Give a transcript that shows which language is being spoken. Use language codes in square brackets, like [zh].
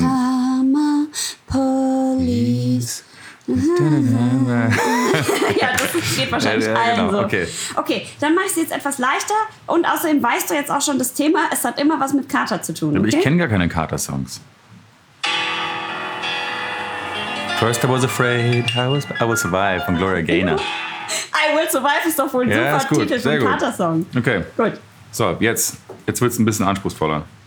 [en] Karma Police. [de] Ja, das geht wahrscheinlich allen so. Okay. Okay, dann mach ich es jetzt etwas leichter. Und außerdem weißt du jetzt auch schon das Thema, es hat immer was mit Kater zu tun. Aber ich kenne gar keine Kater-Songs. [en] First I was afraid, I will survive von Gloria Gaynor. [de] I will survive ist doch wohl ein super Titel für einen Kater-Song. Okay. Gut. So, jetzt wird es ein bisschen anspruchsvoller.